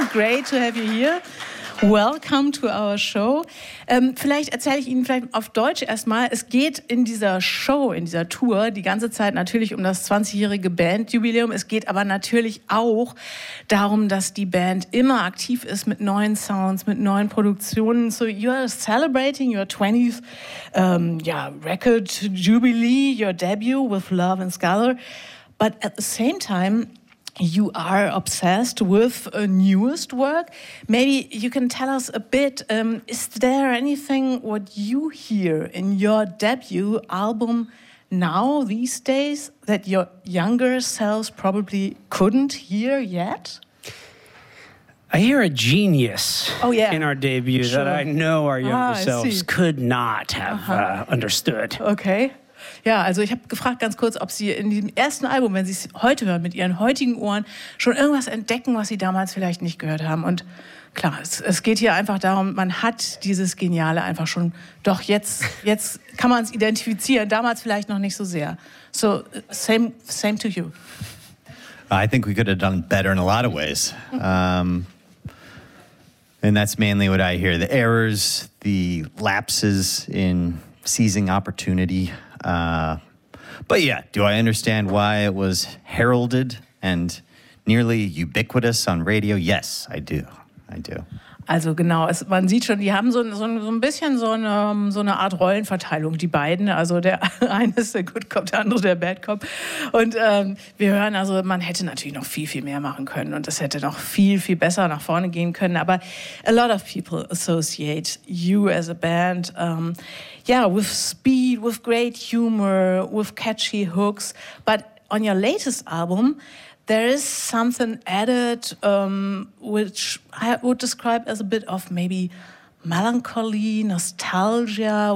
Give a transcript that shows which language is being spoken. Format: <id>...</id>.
<en>Great to have you here. Welcome to our show.</en> <de>Vielleicht erzähle ich Ihnen vielleicht auf Deutsch erstmal. Es geht in dieser Show, in dieser Tour, die ganze Zeit natürlich um das 20-jährige Bandjubiläum. Es geht aber natürlich auch darum, dass die Band immer aktiv ist mit neuen Sounds, mit neuen Produktionen.</de> <en>So you're celebrating your 20th record jubilee, your debut with Love and Scholar. But at the same time, you are obsessed with a newest work. Maybe you can tell us a bit, is there anything what you hear in your debut album now, these days, that your younger selves probably couldn't hear yet? I hear a genius In our debut that I know our younger selves could not have understood. Okay.</en> <de>Ja, also ich habe gefragt ganz kurz, ob Sie in diesem ersten Album, wenn Sie es heute hören, mit Ihren heutigen Ohren schon irgendwas entdecken, was Sie damals vielleicht nicht gehört haben. Und klar, es geht hier einfach darum, man hat dieses Geniale einfach schon, doch jetzt kann man es identifizieren, damals vielleicht noch nicht so sehr.</de> <en>So, same to you. I think we could have done better in a lot of ways. And that's mainly what I hear, the errors, the lapses in seizing opportunity. But yeah, do I understand why it was heralded and nearly ubiquitous on radio? Yes, I do.</en> <de>Also genau, man sieht schon, die haben so ein bisschen eine Art Rollenverteilung, die beiden. Also der eine ist der Good Cop, der andere der Bad Cop. Und wir hören also, man hätte natürlich noch viel, viel mehr machen können und es hätte noch viel, viel besser nach vorne gehen können. Aber</de> <en>a lot of people associate you as a band, with speed, with great humor, with catchy hooks. But on your latest album, there is something added, which I would describe as a bit of maybe melancholy, nostalgia.</en>